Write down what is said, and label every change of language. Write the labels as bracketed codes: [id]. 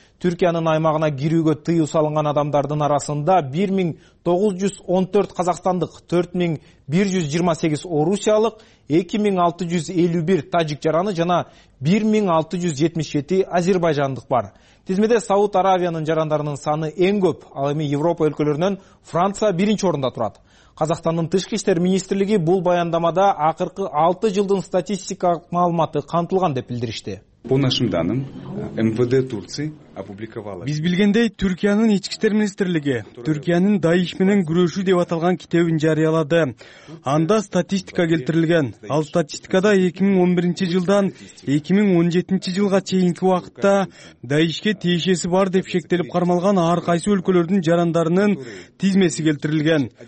[ky] Түркиянын аймагына кирүүгө тыюу салынган адамдардын арасында 1914 казакстандык, 4128 орусиялык, 2651 тажик жараны жана 1677 азербайжандык бар. Тизмеде Сауд Аравиянын жарандарынын саны эң көп, ал эми Европа өлкөлөрүнөн Франция биринчи орунда турат. Казакстандын тышкы иштер министрлиги бул баяндамада акыркы 6 жылдын статистикалык маалыматы камтылган деп билдиришти. [ru] По нашим данным, МВД Турции опубликовала. [ky] Биз билгендей, Түркиянын ички иштер министрлиги Түркиянын ДАИШ менен күрөшүү деп аталган китебин жарыялады. Анда статистика келтирилген. Ал статистикада 2011 жылдан 2017 жылга чейинки убакытта ДАИШке тиешеси бар деп шектелип кармалган ар кайсы өлкөлөрдүн жарандарынын тизмеси келтирилген.